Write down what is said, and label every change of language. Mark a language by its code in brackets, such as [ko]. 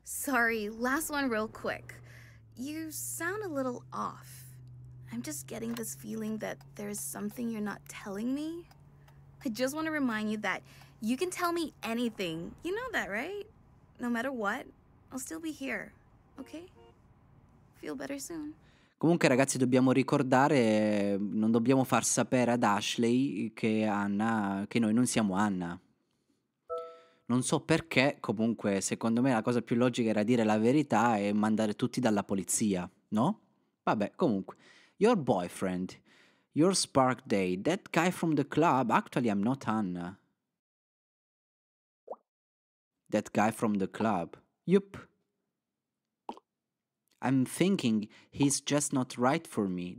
[en] Sorry, last one real quick. You sound a little off. I'm just getting this feeling that there is something you're not telling me. I just want to remind you that you can tell me anything. You know that, right? No matter what, I'll still be here, okay? Feel better soon. [it] Comunque ragazzi, dobbiamo ricordare, non dobbiamo far sapere ad Ashley che Anna, che noi non siamo Anna. Non so perché, comunque secondo me la cosa più logica era dire la verità e mandare tutti dalla polizia, no? Vabbè, comunque. [en] Your boyfriend, your spark day, that guy from the club, actually I'm not Anna. That guy from the club, yup. I'm thinking he's just not right for me.